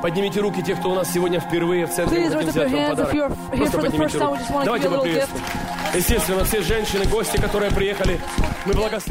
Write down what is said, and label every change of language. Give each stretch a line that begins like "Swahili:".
Russian: Поднимите руки те, кто у нас сегодня впервые в центре.
English: Please raise your hands if you're here for the first time. We just want to give you a little gift.
Russian: Естественно, все женщины, гости, которые приехали, мы благословим.